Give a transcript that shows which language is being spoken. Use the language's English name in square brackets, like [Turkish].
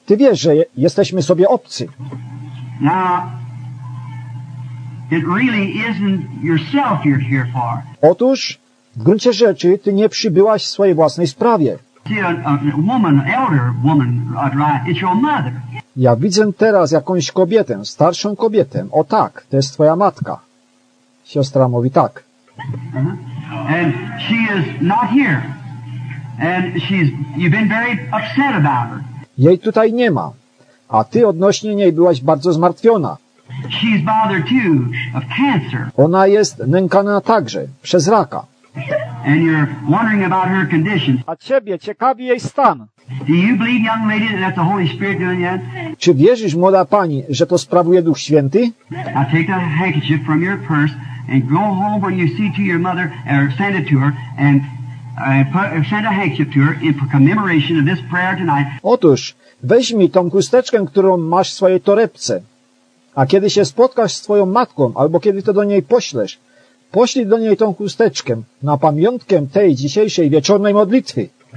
[Polish] Ty wiesz, że jesteśmy sobie obcy. [English] Now, it really isn't yourself you're here for. [Polish] Otóż, w gruncie rzeczy, ty nie przybyłaś w swojej własnej sprawie. [English] See, an elder woman, it's your mother. [Polish] Ja widzę teraz jakąś kobietę, starszą kobietę. O tak, to jest twoja matka. Siostra mówi tak. [English] Uh-huh. And she is not here. And you've been very upset about her. [Polish] Jej tutaj nie ma, a ty odnośnie niej byłaś bardzo zmartwiona. [English] She's bothered too of cancer. [Polish] Ona jest nękana także przez raka. [English] And you're wondering about her condition. [Polish] A ciebie ciekawi jej stan. [English] Do you believe, young lady, that that's the Holy Spirit doing that? [Polish] Czy wierzysz, młoda pani, że to sprawuje Duch Święty? [English] I take that handkerchief from your purse and go home when you see to your mother or send it to her and send a handkerchief to her in commemoration of this prayer tonight. [Polish] Otóż, weź mi tą chusteczkę, którą masz w swojej torebce. A kiedy się spotkasz z twoją matką, albo kiedy to do niej poślesz, poślij do niej tą chusteczkę na pamiątkę tej dzisiejszej wieczornej modlitwy.